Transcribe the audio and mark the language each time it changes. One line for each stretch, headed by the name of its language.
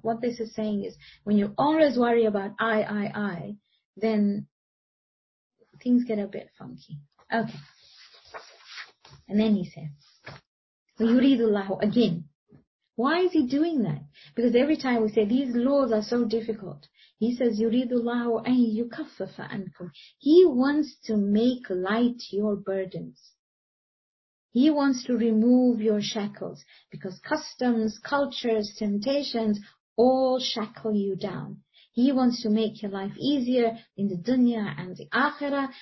English: What this is saying is when you always worry about I, then things get a bit funky. Okay. And then he says,
Arabic: وَيُرِيدُ اللَّهُ,
English: again. Why is he doing that? Because every time we say, these laws are so difficult. He says,
Arabic: يُرِيدُ اللَّهُ أَن يُكَفَّفَ عَنْكُمْ.
English: He wants to make light your burdens. He wants to remove your shackles. Because customs, cultures, temptations, all shackle you down. He wants to make your life easier in the dunya and the akhirah.